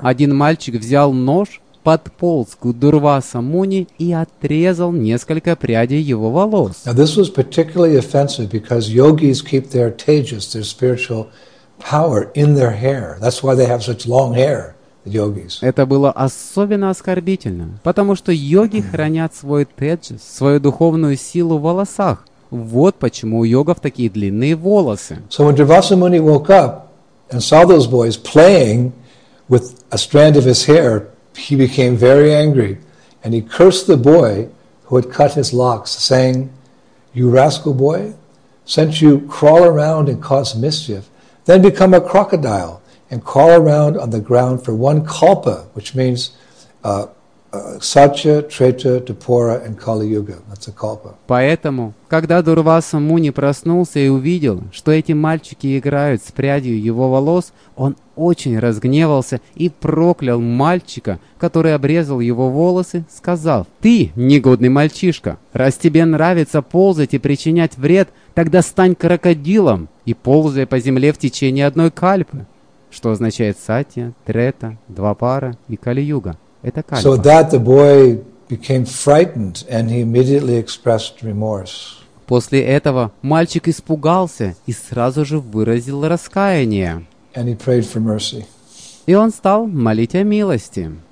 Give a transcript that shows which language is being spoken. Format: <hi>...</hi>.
<ru>Один мальчик взял нож подполз к Дурваса Муни и отрезал несколько прядей его волос.</ru> <en>Now this was particularly offensive because yogis keep their tejas, their spiritual power, in their hair. That's why they have such long hair.</en> <ru>Это было особенно оскорбительно, потому что йоги хранят свой теджес, свою духовную силу в волосах. Вот почему у йогов такие длинные волосы.</ru> <en>So when Durvasa Muni woke up and saw those boys playing with a strand of his hair, he became very angry and he cursed the boy who had cut his locks, saying, "You rascal boy, since you crawl around and cause mischief, then become a crocodile and crawl around on the ground for one kalpa," which means Satya, Treta, Dupara, and Kali Yuga. That's a kalpa.</en> <ru>Поэтому, когда Дурваса Муни проснулся и увидел, что эти мальчики играют с прядью его волос, он очень разгневался и проклял мальчика, который обрезал его волосы, сказав: "Ты, негодный мальчишка, раз тебе нравится ползать и причинять вред, тогда стань крокодилом и ползай по земле в течение одной кальпы." Что означает сатья, трета, двапара и кали-юга. Это кальпа.</ru> <en>So that the boy became frightened and he immediately expressed remorse.</en> <ru>После этого мальчик испугался и сразу же выразил раскаяние.</ru> <en>And he prayed for mercy.</en> <ru>И он стал молить о милости.</ru>